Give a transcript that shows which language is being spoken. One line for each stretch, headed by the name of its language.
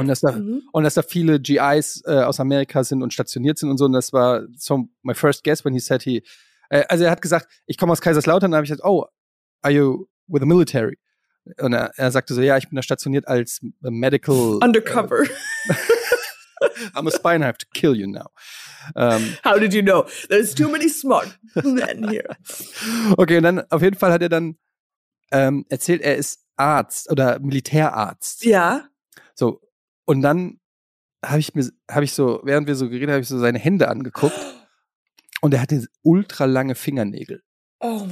German: Und dass da viele GIs aus Amerika sind und stationiert sind und so. Und das war so
English: my first guess when he said
German: er hat gesagt, ich komme aus Kaiserslautern. Und dann habe ich gesagt,
English: oh, are you with the military?
German: Und er sagte so, ja, ich bin da stationiert als medical...
English: Undercover. I'm a spy and I have to kill you now. How did you know? There's too many smart men here.
German: Okay, und dann auf jeden Fall hat er dann erzählt, er ist Arzt oder Militärarzt. Ja.
English: Yeah.
German: So, und dann habe ich so, während wir so geredet haben, seine Hände angeguckt und er hatte ultra lange Fingernägel.
English: Oh my